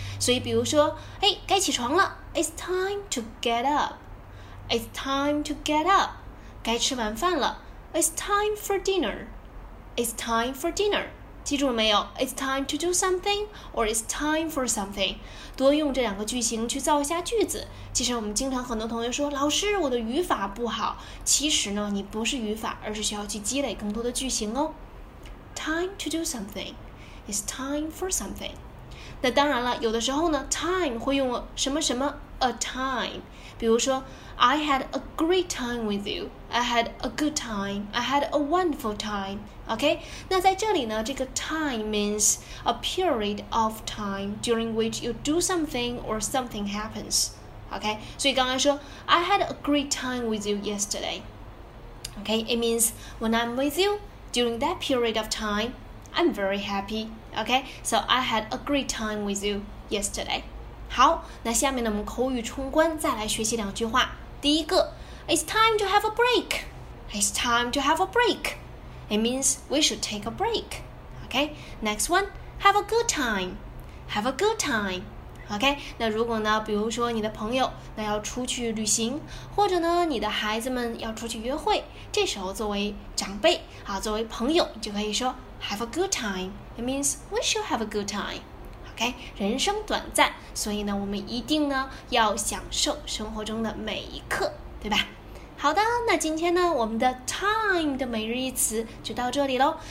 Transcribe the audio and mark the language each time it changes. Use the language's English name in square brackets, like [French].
[Chinese] 所以比如说，哎，该起床了， [English] It's time to get up [Chinese] 该吃晚饭了， [English] It's time for dinner [Chinese] 记住了没有？ [English] It's time to do something or it's time for something。 [Chinese] 多用这两个句型去造一下句子。其实我们经常很多同学说，老师我的语法不好。其实呢，你不是语法，而是需要去积累更多的句型哦。 [English] Time to do something is time for something。 [Chinese] 那当然了，有的时候呢 [English] time [Chinese] 会用什么什么 [English] a time， [Chinese] 比如说 [English] I had a great time with youI had a good time. I had a wonderful time. OK， [Chinese] 那在这里呢，这个 [English] time means a period of time during which you do something or something happens. OK， [Chinese] 所以刚才说 [English] I had a great time with you yesterday. OK， it means when I'm with you during that period of time, I'm very happy. OK， so I had a great time with you yesterday. [Chinese] 好，那下面呢，我们口语冲关，再来学习两句话。第一个， [English] It's time to have a break. It means we should take a break. Okay, next one. Have a good time. [Chinese] Okay, 那如果呢，比如说你的朋友那要出去旅行，或者呢你的孩子们要出去约会，这时候作为长辈啊，作为朋友，就可以说 [English] have a good time. It means we should have a good time. [Chinese] OK， 人生短暂，所以呢，我们一定呢要享受生活中的每一刻，对吧？好的，那今天呢，我们的 time 的每日一词就到这里喽。